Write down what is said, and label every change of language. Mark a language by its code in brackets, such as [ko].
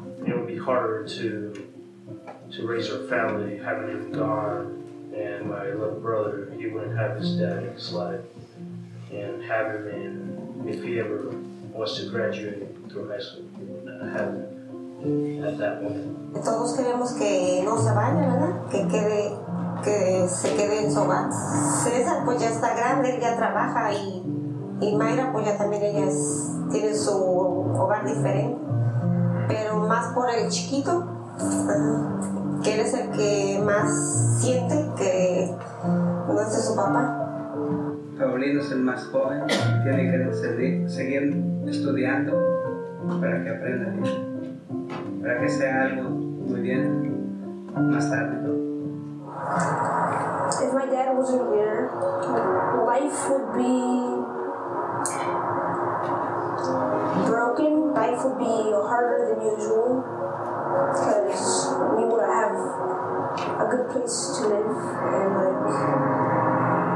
[en] It would be harder to raise our family having him gone, and my little brother, he wouldn't have his dad in his life, and have him in if he ever was to graduate through high school, he wouldn't have him at that moment. [es] Todos queremos que no se vaya, ¿verdad? Que quede. Que se quede en su hogar. César pues ya está grande, él ya trabaja y Mayra pues ya también ella es, tiene su hogar diferente, pero más por el chiquito, que él es el que más siente que no es su papá. Paulino es el más joven, tiene que seguir estudiando para que aprenda bien, para que sea algo Muy bien. Más tarde. [en] If my dad wasn't here, life would be broken. Life would be harder than usual. Because we would have a good place to live and like